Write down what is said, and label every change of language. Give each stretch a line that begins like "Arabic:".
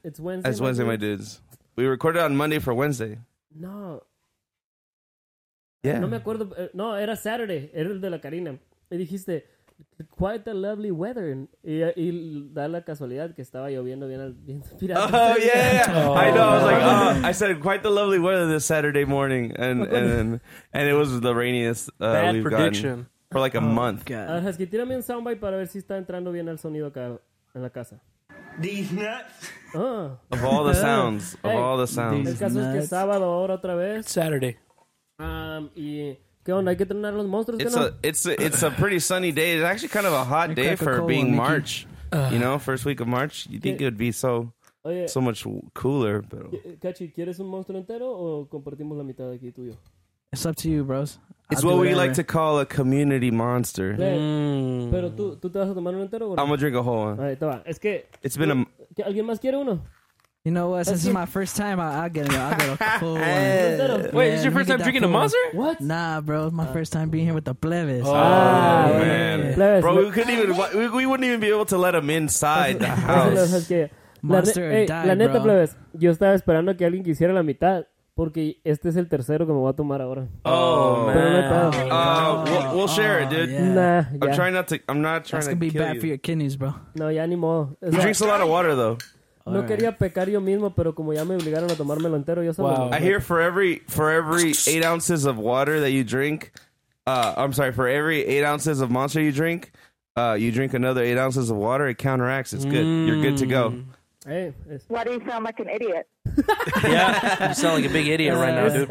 English: It's Wednesday. It's Wednesday, my dudes. We recorded on Monday for Wednesday. No. Yeah.
Spanish: No me acuerdo. No, era Saturday. Era el de la Karina. Y dijiste,
English: quite a lovely weather.
Spanish: Y da la casualidad que estaba lloviendo bien pirata.
English: Oh, yeah. I know. I was like, I said, quite the lovely weather this Saturday morning. And it was the rainiest we've prediction. Gotten for like a month.
Spanish: Husky, tírame un soundbite para ver si está entrando bien el sonido acá en la casa.
English: These nuts. Of all the sounds. Of all the sounds.
Spanish: El caso es que es sábado ahora otra vez.
English: Saturday.
Spanish: Y ¿qué onda? ¿Hay que entrenar los monstruos?
English: It's a pretty sunny day. It's actually kind of a hot day for being March. You know, first week of March. You think it would be so much cooler.
Spanish: Cachi, ¿quieres un monstruo entero o compartimos la mitad aquí tuyo?
English: It's up to you, bros. It's what we like to call a community monster.
Spanish: Pero tú te vas a tomar uno entero,
English: I'm gonna drink a whole one. Right,
Spanish: es que
English: it's been
Spanish: a. ¿Alguien más quiere uno?
English: You know what? Since it's my first time, I'll get it. I'll get a full one. Wait, is your first time drinking a monster? What? Nah, bro. It's my first time being here with the plebes. Oh man. Plebes. Bro, we wouldn't even be able to let him inside the house. Monster
Spanish: La neta, plebes. Yo estaba esperando que alguien quisiera la mitad. Porque este es el tercero que me voy a tomar ahora.
English: Oh, man.
Spanish: Pero no está.
English: We'll share it, dude. Yeah. Nah, yeah. I'm not trying to kill you. That's gonna be bad for your kidneys, bro.
Spanish: No, ya ni modo.
English: He drinks a lot of water, though.
Spanish: Quería pecar yo mismo, pero como ya me obligaron a tomármelo entero, yo solo...
English: I hear for every 8 ounces of water that you drink... I'm sorry, for every 8 ounces of Monster you drink another 8 ounces of water, it counteracts. It's good. You're good to go. Why do you sound like an idiot? Yeah, you sound like a big idiot right now, dude.